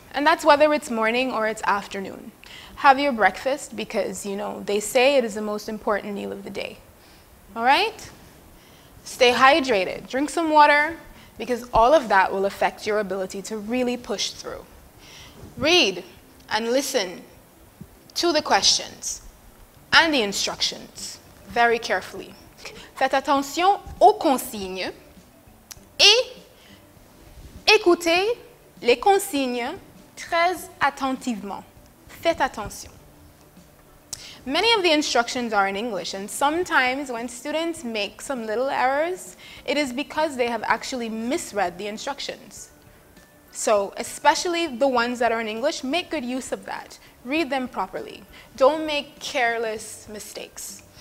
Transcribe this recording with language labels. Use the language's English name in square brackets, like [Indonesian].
[English] And that's whether it's morning or it's afternoon. Have your breakfast because, you know, they say it is the most important meal of the day. All right? Stay hydrated. Drink some water, because all of that will affect your ability to really push through. Read and listen to the questions and the instructions very carefully. [French] Faites attention aux consignes et écoutez les consignes très attentivement. Faites attention. [English] Many of the instructions are in English, and sometimes when students make some little errors, it is because they have actually misread the instructions. So, especially the ones that are in English, make good use of that. Read them properly. Don't make careless mistakes.